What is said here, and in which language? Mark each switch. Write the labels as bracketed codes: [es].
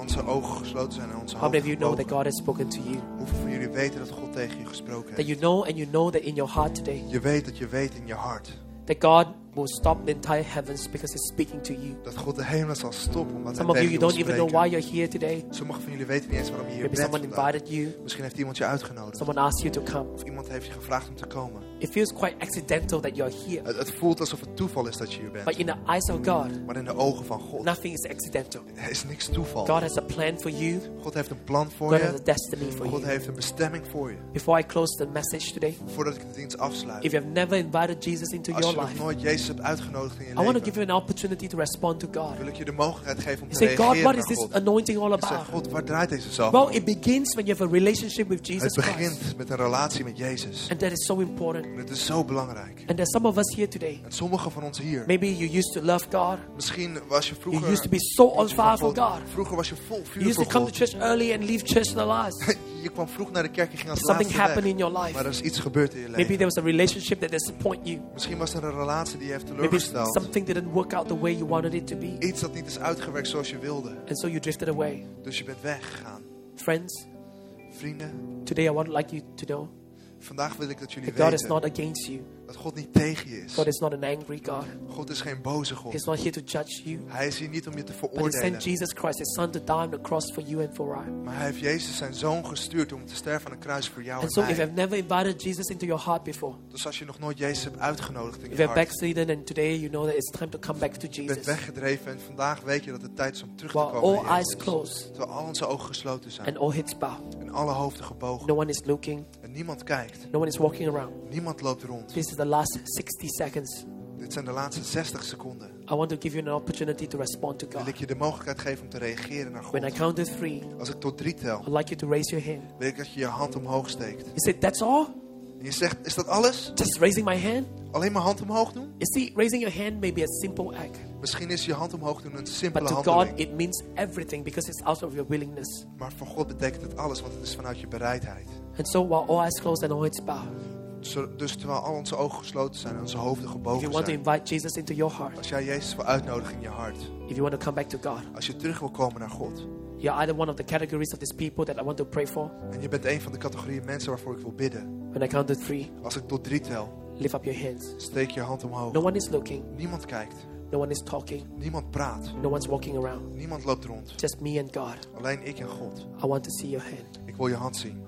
[nl] Onze ogen gesloten zijn en onze hoofd gebogen. [en] Know that God has spoken to you? [nl] Hoeveel van jullie weten dat God tegen je gesproken heeft? [en] That you know and you know that in your heart today. [nl] Je weet dat je weet in je hart. [en] That God will stop the entire heavens because He's speaking to you. [nl] Dat God de hemel zal stoppen omdat [en] Some [nl] hij [en] of you don't even know why you're here today. [nl] Sommige van jullie weten niet eens waarom je hier [en] Maybe [nl] bent. [en] Someone invited you. [nl] Misschien heeft iemand je uitgenodigd. [en] Someone asked you to come. [nl] Of iemand heeft je gevraagd om te komen. [en] It feels quite accidental that you're here. [nl] Het voelt alsof het toeval is dat je hier bent. [en] But in the eyes of God, [nl] maar in de ogen van God, [en] nothing is accidental. [nl] Er is niks toeval. [en] God has a plan for you. [nl] God heeft een plan voor [en] God God has a destiny for God you. [nl] God heeft een bestemming voor je. [en] Before I close the message today, [nl] voordat ik de dienst afsluit, [en] if you have never invited Jesus into your life, [nl] als je nog nooit Jezus hebt uitgenodigd in je leven, [en] I want to give you an opportunity to respond to God. [nl] Wil ik je de mogelijkheid geven om [en] you [nl] te reageren [en] God, [nl] naar God. [en] God, what is this anointing all about? [nl] Zeg, God, waar draait deze zaak? [en] Well, it begins when you have a relationship with Jesus. [nl] Het begint met een relatie met Jezus. [en] And that is so important. [nl] En het is zo belangrijk. [en] And there's some of us here today. [nl] En sommige van ons hier. [en] Maybe you used to love God. [nl] Misschien was je vroeger. [en] You used to be so on fire for God. [nl] Vroeger was je vol vuur voor God. [en] You used to come to church early and leave church the last. [nl] Je kwam vroeg naar de kerk en ging als laatste weg. [en] Something happened in your life. [nl] Maar er is iets gebeurd in je leven. [en] Maybe there was a relationship that disappointed you. [nl] Misschien was er een relatie die je heeft teleurgesteld. [en] Maybe something didn't work out the way you wanted it to be. [nl] Iets dat niet is uitgewerkt zoals je wilde. [en] And so you drifted away. [nl] Dus je bent weggegaan. [en] Friends. [nl] Vrienden. [en] Today I would like you to know. [nl] Vandaag wil ik dat jullie [en] God [nl] weten [en] is not against you. [nl] Dat God niet tegen je is. [en] God is not an angry God. [nl] God is geen boze God. [en] He's not here to judge you. [nl] Hij is hier niet om je te veroordelen. [en] But he sent Jesus Christ, his son, to die on the cross for you and for us. [nl] Maar hij heeft Jezus zijn zoon gestuurd om te sterven aan een kruis voor jou [en] and so [nl] en mij. [en] If you've never invited Jesus into your heart before. [nl] Dus als je nog nooit Jezus hebt uitgenodigd in [en] if [nl] je hart. [en] If you're backslidden and today you know that it's time to come back to Jesus. [nl] Je bent weggedreven en vandaag weet je dat het tijd is om terug te komen. [en] While all eyes closed. [nl] Terwijl al onze ogen gesloten zijn. [en] And all heads bowed. [nl] En alle hoofden gebogen. [en] No one is looking. [nl] En niemand kijkt. [en] No one is walking around. [nl] Niemand loopt rond. [en] The last 60 seconds. [nl] Dit zijn de laatste 60 seconden. [en] I want to give you an opportunity to respond to God. [nl] Wil ik je de mogelijkheid geven om te reageren naar God. [en] When I count to three, [nl] als ik tot drie tel, [en] I'd like you to raise your hand. [nl] Wil ik dat je je hand omhoog steekt. [en] You say, that's all? [nl] En je zegt, is dat alles? [en] Just raising my hand? [nl] Alleen mijn hand omhoog doen? [en] You see, raising your hand may be a simple act. [nl] Misschien is je hand omhoog doen een simpele handeling. [en] But to [nl] handeling. [en] God, it means everything because it's out of your willingness. [nl] Maar voor God betekent het alles, want het is vanuit je bereidheid. [en] And so while all eyes closed and all heads bowed. [nl] Dus terwijl al onze ogen gesloten zijn en onze hoofden gebogen zijn. [en] If you want to invite Jesus into your heart, [nl] als jij Jezus wil uitnodigen in je hart. [en] If you want to come back to God, [nl] als je terug wil komen naar God. [en] You're either one of the categories of these people that I want to pray for. [nl] En je bent een van de categorieën mensen waarvoor ik wil bidden. [en] When I count to three, [nl] als ik tot drie tel. [en] Lift up your hands. [nl] Steek je hand omhoog. [en] No one is looking. [nl] Niemand kijkt. [en] No one is talking. [nl] Niemand praat. [en] No one's walking around. [nl] Niemand loopt rond. [en] Just me and God. [nl] Alleen ik en God. [en] I want to see your hand. [nl] Ik wil je hand zien.